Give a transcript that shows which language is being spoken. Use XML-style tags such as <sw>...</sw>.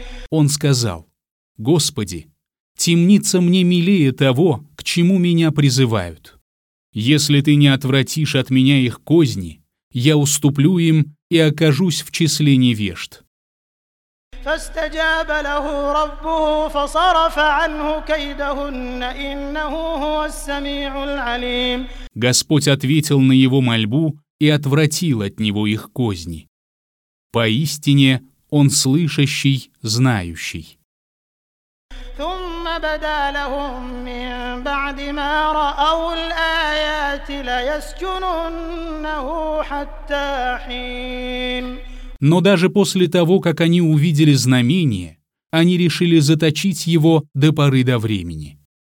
<ru>Он сказал: «Господи, темница мне милее того, к чему меня призывают. Если ты не отвратишь от меня их козни, я уступлю им и окажусь в числе невежд».</ru> <ar>فاستجاب له ربه فصرف عنه كيدهن إنه هو السميع العليم.</ar> <ru>Господь ответил на его мольбу и отвратил от него их козни. Поистине он слышащий, знающий.</ru> <ar>ثم بدا لهم من بعد ما رأوا الآيات ليسجننه حتى حين.</ar> <ru>Но даже после того, как они увидели знамение, они решили заточить его до поры до времени.</ru>